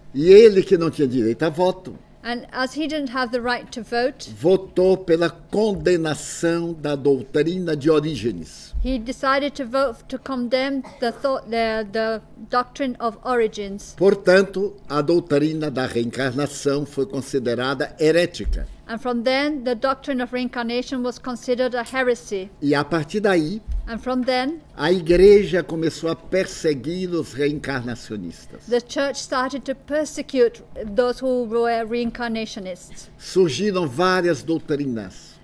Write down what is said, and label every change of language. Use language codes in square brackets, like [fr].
[pt] E ele que não tinha direito a voto. [en] And as he didn't have the right to vote, [pt] votou pela condenação da doutrina de Orígenes. [en] He decided to vote to condemn the doctrine of Origins. [pt] Portanto, a doutrina da reencarnação foi considerada herética. [en] And from then, the doctrine of reincarnation was considered a heresy. [pt] E a partir daí, [en] and from then, [pt] a igreja começou a perseguir os reencarnacionistas. [en] The church started to persecute those who were reincarnationists. [pt] Surgiram várias doutrinas.